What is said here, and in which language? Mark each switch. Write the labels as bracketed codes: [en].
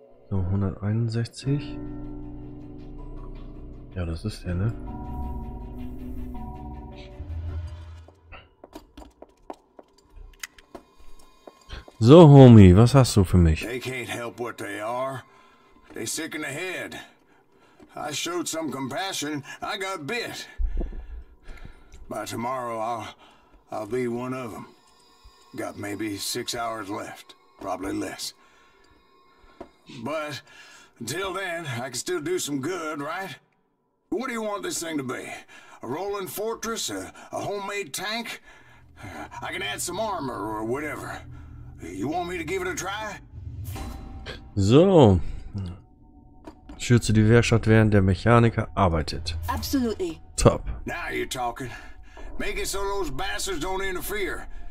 [de] So, 161. Ja, das ist der, ne? So, Homie, was hast du für mich? [en] They can't help what they are. They sick in the head. I showed some compassion. I got bit. By tomorrow, I'll be one of them. Got maybe 6 hours left. Probably less. But until then, I can still do some good, right? What do you want this thing to be? A rolling fortress? A homemade tank? I can add some armor or whatever. You want me to give it a try? [de] So. Schütze die Werkstatt, während der Mechaniker arbeitet. [en] Absolutely. [de] Top. [en] Now you're talking. Make it so those bastards don't interfere.